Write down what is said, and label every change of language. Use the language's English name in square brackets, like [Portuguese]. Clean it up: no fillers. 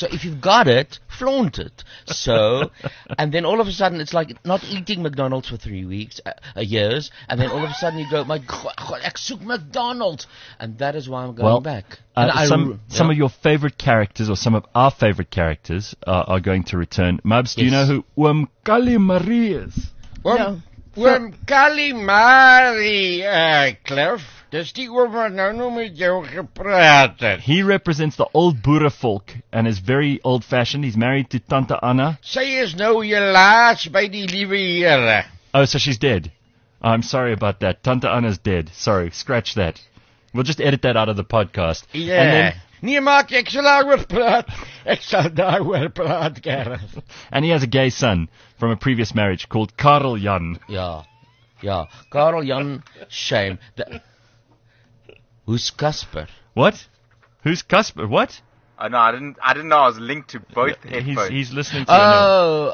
[English] So if you've got it, flaunt it. So, and then all of a sudden, it's like not eating McDonald's for 3 weeks, years, and then all of a sudden you go, my God, [Afrikaans] ek soek McDonald's. [English] And that is why I'm going back. Some of your favorite characters, or some of our favorite characters, are going to return. Mubs, do you know who Oom Kali Marie is? Oom Kali Marie, Cliff. [Afrikaans] Dis die oom wat nou met jou gepraat het. [English] He represents the old Boere folk and is very old-fashioned. He's married to Tante Anna. [Afrikaans] Sy is nou helaas by die liewe Here. [English] Oh, so she's dead. I'm sorry about that. Tante Anna's dead. Sorry, scratch that. We'll just edit that out of the podcast. [Afrikaans] Yeah. Nee, maak, ek sal daarover praat. Ek sal daarover praat, Gareth. [English] And he has a gay son from a previous marriage called Karel Jan. Yeah. Karel Jan, shame. Who's Casper? What? Who's Casper? What? Oh, no, I didn't know I was linked to both headphones. He's listening to you now.